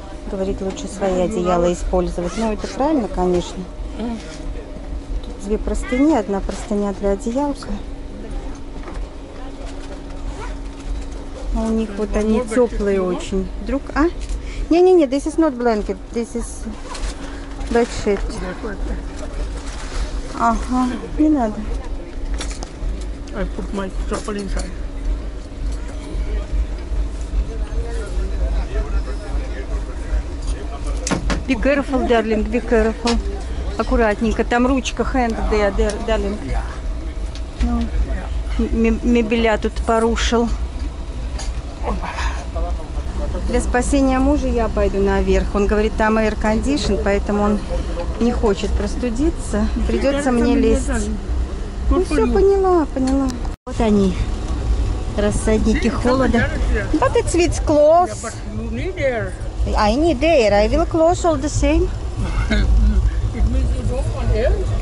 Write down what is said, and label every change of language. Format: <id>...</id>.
<ru>Говорит, лучше свои одеяла использовать. Ну, это правильно, конечно. Тут две простыни, одна простыня для одеялка. А у них вот они теплые очень. Вдруг, а?</ru> <en>Не-не-не, this is not blanket. This is bedsheet.</en> <ru>Ага, не надо.</ru> <en>I put my chopper inside. Be careful, darling, be careful.</en> <ru>Аккуратненько, там ручка,</ru> <en>hand there, darling.</en> <ru>Ну, мебеля тут порушил. Для спасения мужа я пойду наверх. Он говорит, там air condition, поэтому он не хочет простудиться. Придется мне лезть. Ну все, поняла. Вот они, рассадники холода.</ru> <en>But it's with clothes. I need air. I will close all the same. It means you don't want air?</en>